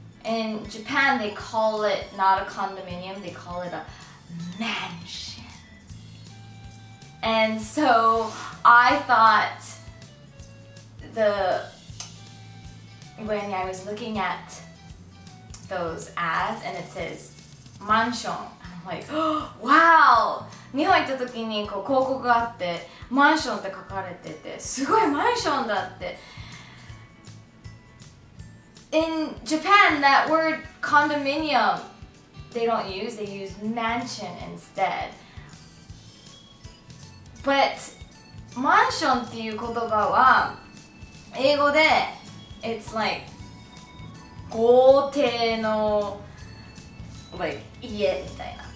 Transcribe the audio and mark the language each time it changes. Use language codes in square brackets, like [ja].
[en] In Japan, they call it not a condominium, they call it a mansion. And so I thought when I was looking at those ads and it says マンション、I'm like, wow! [ja] 日本行った時にこう広告があってマンションって書かれてて、すごいマンションだって。 [en] In Japan, that word condominium they use mansion instead. [ja] But マンションっていう言葉は英語で [en] it's like [ja] 豪邸の家みたいな。